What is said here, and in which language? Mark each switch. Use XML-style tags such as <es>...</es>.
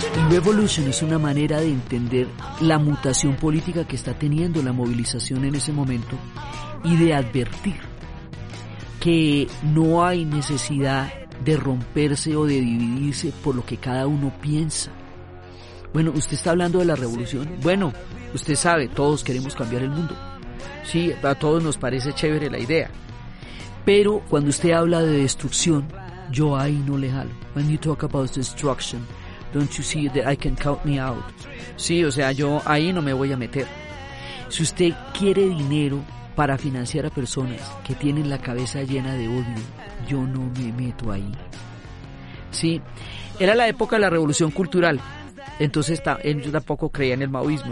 <es>Revolution es una manera de entender la mutación política que está teniendo la movilización en ese momento y de advertir que no hay necesidad de romperse o de dividirse por lo que cada uno piensa. Bueno, usted está hablando de la revolución. Bueno, usted sabe, todos queremos cambiar el mundo. Sí, a todos nos parece chévere la idea. Pero cuando usted habla de destrucción, yo ahí no le jalo.</es> <en>When you talk about destruction, don't you see that I can count me out?</en> <es>Sí, o sea, yo ahí no me voy a meter. Si usted quiere dinero para financiar a personas que tienen la cabeza llena de odio, yo no me meto ahí. Sí, era la época de la revolución cultural. Entonces yo tampoco creía en el maoísmo.</es>